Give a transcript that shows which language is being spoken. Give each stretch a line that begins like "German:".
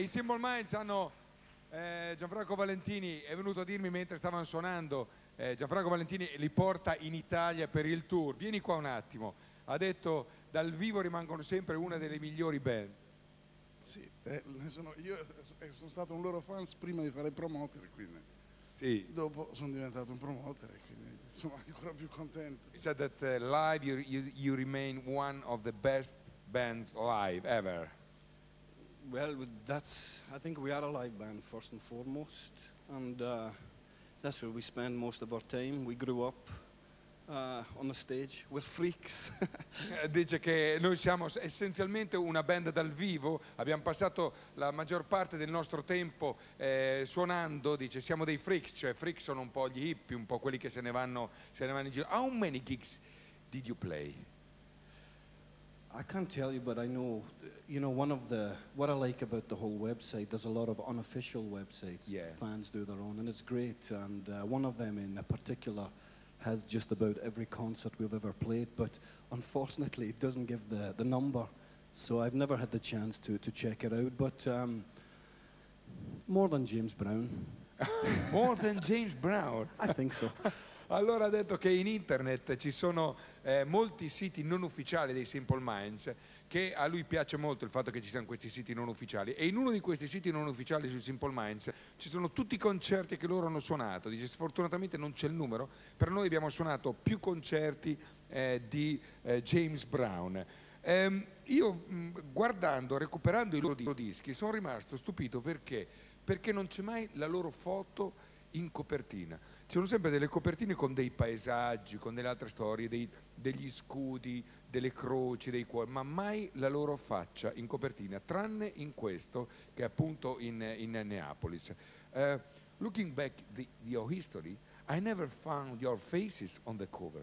Italian: I Simple Minds hanno Gianfranco Valentini è venuto a dirmi mentre stavano suonando, Gianfranco Valentini li porta in Italia per il tour. Vieni qua un attimo. Ha detto dal vivo rimangono sempre una delle migliori band. Sì, sono stato un loro fan prima di fare il promoter, quindi sì. Dopo sono diventato un promoter, quindi sono ancora più contento.
English: He said that live you remain one of the best bands live ever. Well, that's, I think we are a live band first and foremost, and that's where we spend most of our time. We grew up on the stage. We're freaks.
Italian: Dice che noi siamo essenzialmente una band dal vivo, abbiamo passato la maggior parte del nostro tempo suonando, dice, siamo dei freaks, cioè freaks sono un po' gli hippie, un po' quelli che se ne vanno in giro.
English: How many gigs did you play? I can't tell you, but I know, you know, one of the, what I like about the whole website, there's a lot of unofficial websites. Yeah. Fans do their own, and it's great, and one of them in particular has just about every concert we've ever played, but unfortunately it doesn't give the number, so I've never had the chance to check it out, but more than James Brown. More than James Brown? I think so.
Italian: Allora ha detto che in internet ci sono molti siti non ufficiali dei Simple Minds, che a lui piace molto il fatto che ci siano questi siti non ufficiali, e in uno di questi siti non ufficiali sui Simple Minds ci sono tutti i concerti che loro hanno suonato. Dice sfortunatamente non c'è il numero, per noi abbiamo suonato più concerti di James Brown. Io guardando, recuperando i loro dischi, sono rimasto stupito perché non c'è mai la loro foto in copertina. Ci sono sempre delle copertine con dei paesaggi, con delle altre storie, degli scudi, delle croci, dei cuori, ma mai la loro faccia in copertina, tranne in questo, che è appunto in Neapolis.
English: Looking back the your history, I never found your faces on the cover.